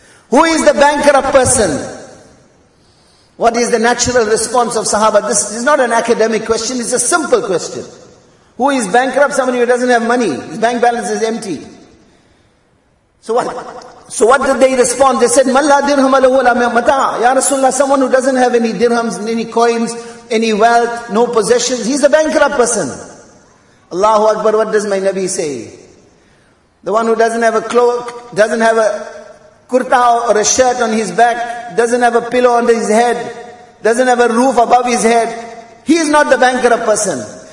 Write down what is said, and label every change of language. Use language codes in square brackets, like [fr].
[en] Who is the bankrupt person? What is the natural response of sahaba? This is not an academic question, it's a simple question. Who is bankrupt? Somebody who doesn't have money. His bank balance is empty. So what did they respond? They said, [ar] مَلَّا دِرْهَمَ لَهُ وَلَا مَتَعَ. [en] Ya Rasulullah, someone who doesn't have any dirhams, any coins, any wealth, no possessions, he's a bankrupt person. Allahu Akbar, what does my Nabi say? The one who doesn't have a cloak, doesn't have a kurta or a shirt on his back, doesn't have a pillow under his head, doesn't have a roof above his head, he is not the bankrupt person.